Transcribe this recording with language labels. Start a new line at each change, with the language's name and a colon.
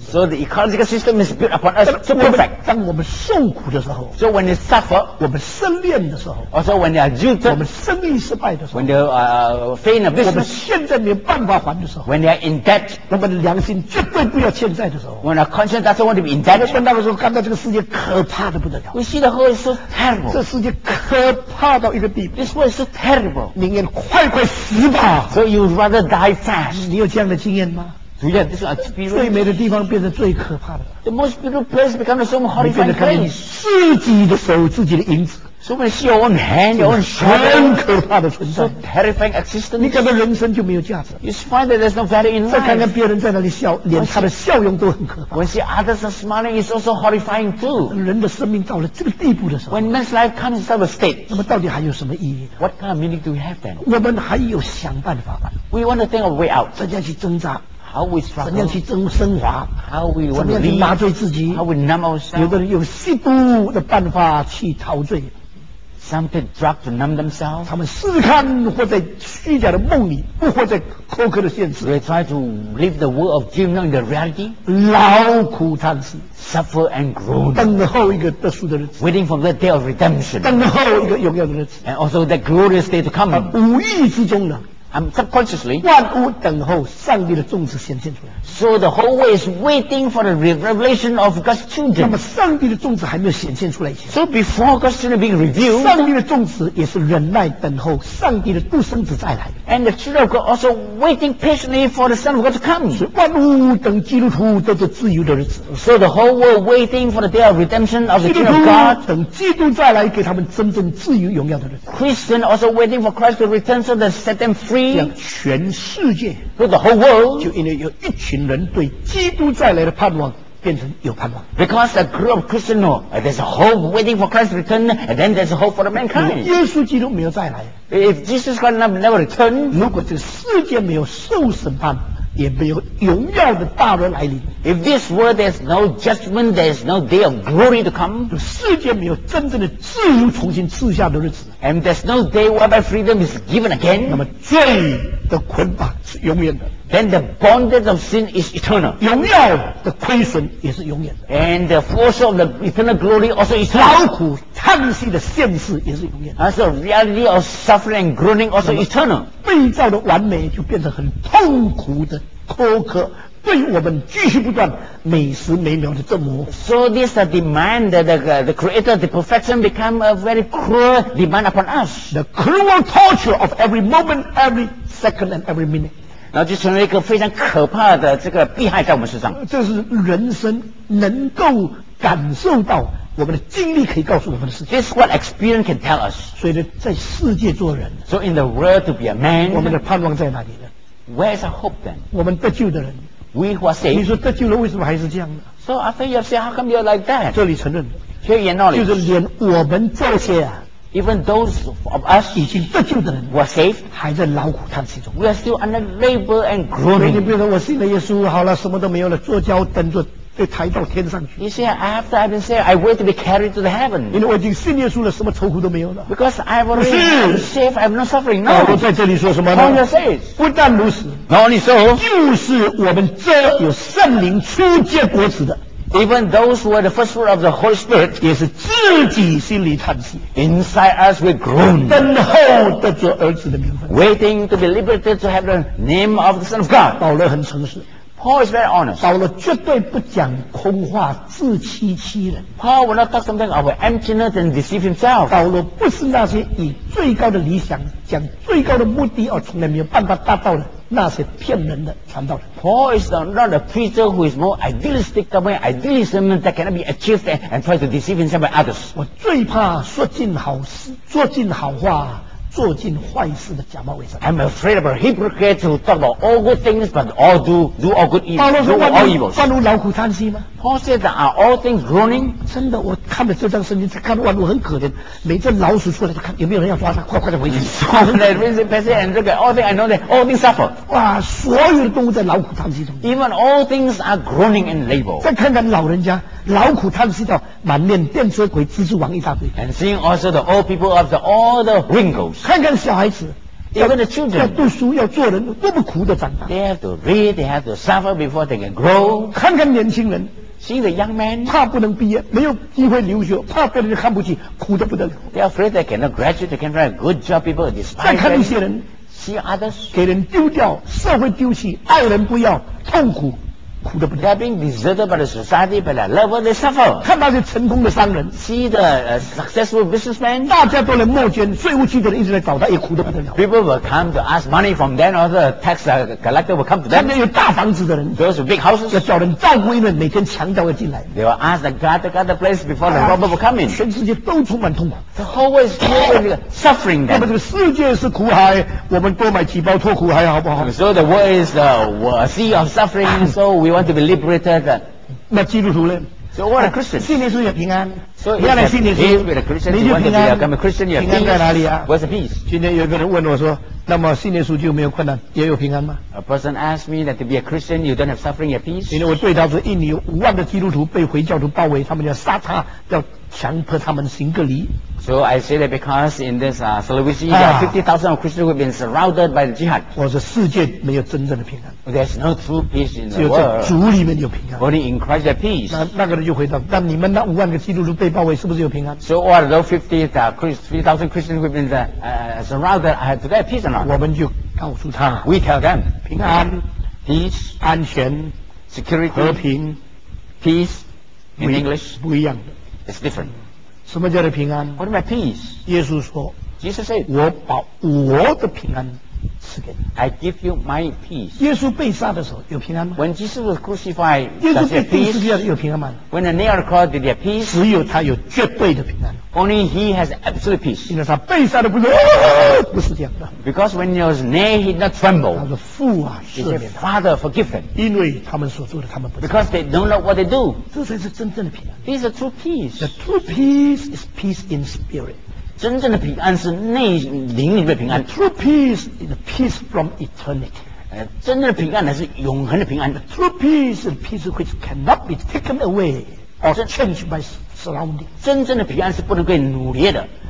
English: So the ecological system is built upon us to perfect.
Chinese: 当我们受苦的时候。
English: So when we suffer,
Chinese: 我们失恋的时候。
English: Also when we are jilted,
Chinese: 我们生意失败的时候。
English: When they fail in a business,
Chinese: 我们现在没有办法还的时候。
English: When they are in debt,
Chinese: 我们的良心绝对不要欠债的时候。
English: When our conscience doesn't want to be in debt,
Chinese: 我们那个时候看到这个世界可怕的不得了。
English: We see the world is so terrible.
Chinese: 这世界可怕到一个地步。
English: This world is so terrible.
Chinese: 宁愿快快死吧。
English: So you rather die.
Chinese: 你有这样的经验吗？主要就是最美的地方变成最可怕的。
English: The most beautiful place becomes so horrifying.
Chinese: 你变成看你自己的手，自己的影子。
English: So when you see your own hand, your own shadow,
Chinese: 很可怕的存在。
English: So terrifying existence.
Chinese: 你看到人生就没有价值。
English: You find that there's no value in life.
Chinese: 再看看别人在那里笑，连他的笑容都很可怕。
English: When you see others are smiling, it's also horrifying too.
Chinese: 人的生命到了这个地步的时候。
English: When man's life comes to such a state.
Chinese: 那么到底还有什么意义？
English: What kind of meaning do we have then?
Chinese: 我们还有想办法。
English: We want to think of a way out.
Chinese: 怎样去挣扎？
English: How we struggle,
Chinese: 怎样去增升华
English: how we
Chinese: 怎样去麻醉自己
English: how we numb ourselves,
Chinese: 有的人用吸毒的办法去陶醉
English: Some take drugs to numb themselves
Chinese: 他们试看活在虚假的梦里不活在苛刻的现实
English: They try to live the world of dream not in the reality
Chinese: 劳苦叹息
English: Suffer and groan
Chinese: 等候一个得赎的日子
English: Waiting for the day of redemption
Chinese: 等候一个荣耀的日子
English: And also that glorious day to come
Chinese: 无意之中呢
English: Subconsciously,
Chinese: 万物等候上帝的种子显现出来。
English: So the whole world is waiting for the revelation of God's children.
Chinese: 那么上帝的种子还没有显现出来以前。
English: So before God's children being revealed,
Chinese: 上帝的种子也是忍耐等候上帝的独生子再来。
English: And the children of God also waiting patiently for the Son of God to come.
Chinese: 是万物等基督徒得着自由的日子。
English: So the whole world waiting for the day of redemption of the children of God.
Chinese: 等基督再来给他们真正自由荣耀的日子。
English: Christian also waiting for Christ to return so that set them free.
Chinese: 这样全世界
English: so the whole world
Chinese: 就因为有一群人对基督再来的盼望变成有盼望
English: because a group of Christians know there's a hope waiting for Christ's return and then there's a hope for the mankind
Chinese: 耶稣基督没有再来
English: if Jesus Christ never return
Chinese: 如果这个世界没有受审判也没有荣耀的大日来临
English: if this world there's no judgment there's no day of glory to come
Chinese: 就世界没有真正的自由重新赐下的日子
English: and there's no day whereby freedom is given again
Chinese: 那么罪的捆绑是永远的
English: then the bondage of sin is eternal
Chinese: 荣耀的亏损也是永远的
English: and the force of the eternal glory also is eternal
Chinese: 劳苦叹息的现世也是永远的
English: and so reality of suffering and groaning also eternal
Chinese: 被造的完美就变成很痛苦的苛刻对我们继续不断每时每秒的折磨
English: So this demand that the creator, the perfection become a very cruel demand upon us The cruel torture of every moment, every second and every minute
Chinese: 然后就成为一个非常可怕的这个弊害在我们身上这是人生能够感受到我们的经历可以告诉我们的事情
English: This is what experience can tell us
Chinese: 所以呢在世界做人
English: So in the world to be a man
Chinese: 我们的盼望在哪里呢
English: Where is our hope then?
Chinese: 我们得救的人
English: We who are saved.
Chinese: 你说得救了，为什么还是这样呢
English: ？So after you say, how come you're like that?
Chinese: 这里承认
English: ，Here you acknowledge.
Chinese: 就是连我们这些啊
English: ，Even those of us
Chinese: 已经得救的人
English: ，were saved，
Chinese: 还在劳苦叹息中。
English: We are still under labor and groaning.
Chinese: 你比如说，我信了耶稣，好了，什么都没有了，坐轿等着被抬到天上去。
English: You see, after I've been saved, I wait to be carried to the heaven.
Chinese: 因为我已经信耶稣了，什么愁苦都没有了。
English: Because I've already been saved, I'm not suffering now.
Chinese: 我在这里说什么呢
English: ？Paul says,
Chinese: 不但如此。
English: Not only so,
Chinese: 就是我们这有圣灵初结果子的
English: ，even those who are the first fruit of the Holy Spirit，
Chinese: 也是自己心里叹息
English: ，inside us we groan，
Chinese: 等候得着儿子的名分
English: ，waiting to be liberated to have the name of the Son of God。
Chinese: 保罗很诚实
English: ，Paul is very honest。
Chinese: 保罗绝对不讲空话，自欺欺人。
English: Paul will not talk something of emptiness and deceive himself。
Chinese: 保罗不是那些以最高的理想、讲最高的目的而从来没有办法达到的。那些骗人的传道人
English: Paul is not a preacher who is more idealistic than my idealism that cannot be achieved and try to deceive himself by others
Chinese: 我最怕说尽好事做尽好话做尽坏事的假冒伪善
English: I'm afraid of a hypocrite who talk about all good things but all do all good evil
Chinese: 保罗说
English: all evils
Chinese: 万物劳苦叹息吗
English: Paul said that are all things groaning
Chinese: 真的我看了这张圣经看万物很可怜每只老鼠出来看有没有人要抓他快快的回去
English: So that reason passage and look at all things I know that all things suffer
Chinese: 哇所有的动物在劳苦叹息中
English: Even all things are groaning and labor
Chinese: 再看看老人家劳苦叹息到满面电车鬼蜘蛛网一大堆
English: And seeing also the old people of all the wrinkles
Chinese: 看看小孩子
English: Even the children
Chinese: 要读书要做人多么苦的长大。
English: They have to read, they have to suffer before they can grow.
Chinese: 看看年轻人。
English: See the young man.
Chinese: 怕不能毕业，没有机会留学，怕别人看不起，苦得不得了。
English: They are afraid they cannot graduate, they cannot have a good job, people are despised.
Chinese: 再看一些人。
English: See others.
Chinese: 给人丢掉，社会丢弃，爱人不要，痛苦。
English: They are being deserted by the society, by the level they suffer.
Chinese: 看那些成功的商人
English: ，see the successful businessmen.
Chinese: 大家都来募捐，税务局的人一直来找他，也苦得不得了。
English: People will come to ask money from them, or the tax collector will come to them.
Chinese: 看那有大房子的人
English: ，those with big houses.
Chinese: 要找人照顾一人，每天强盗要进来。
English: They will ask the guard to guard the place before the robber will come in.
Chinese: 全世界都充满痛苦
English: ，the whole world is filled with suffering.
Chinese: 那么这个世界是苦海，我们多买几包脱苦海好不好
English: ？So the world is a sea of suffering. So we want to be liberated.
Chinese: 那基督徒呢
English: ？So what a Christian?
Chinese: 信耶稣也平安。
English: So if you're a Christian, you want to become a Christian, you have peace. Where's the peace?
Chinese: 今天有一个人问我说，那么信耶稣就没有困难，也有平安吗
English: ？A person asked me that to be a Christian, you don't have suffering, you have peace.
Chinese: 因为我对他说，印尼有5万的基督徒被回教徒包围，他们要杀他，要强迫他们行隔离。
English: So I say that because in this Sulawesi, there are 50,000 of Christians who have been surrounded by the jihad.
Chinese: 我说世界没有真正的平安。
English: There's no true peace in the world.
Chinese: 只有在主里面有平安。
English: Only in Christ there's peace.
Chinese: 那个人就回答，那你们那5万个基督徒被包围，是不是有平安
English: ？So what are those 50,000 Christians who have been surrounded? Do they have peace or not?
Chinese: 我们就告诉他。
English: We tell them
Chinese: 平安
English: ，peace，
Chinese: 安全
English: ，security，
Chinese: 和平
English: ，peace in English
Chinese: 不一样的。
English: It's different.
Chinese: 什么叫做平安
English: ？What about peace?
Chinese: 耶稣说
English: ，Jesus said,
Chinese: 我把我的平安赐给你。
English: I give you my peace.
Chinese: 耶稣被杀的时候有平安吗
English: ？When Jesus was crucified,
Chinese: 耶稣被钉十字架有平安吗
English: ？When the nail cross, did he have peace?
Chinese: 只有他有绝对的平安。
English: Only he has absolute peace.
Chinese: 因为他被杀的不是不是这样的。
English: Because when he was nailed, he did not tremble.
Chinese: 他说父啊，赦免他。
English: Father, forgive them.
Chinese: 因为他们所做的，他们不知道。
English: Because they don't know what they do.
Chinese: 这才是真正的平安。
English: This is a true peace. The true peace is peace in spirit.
Chinese: 真正的平安是内灵里面的平安。
English: The true peace is the peace from eternity.
Chinese: 真正的平安乃是永恒的平安。
English: The true peace is peace which cannot be taken away or changed by.
Chinese: 真正的平安是不能被努力的。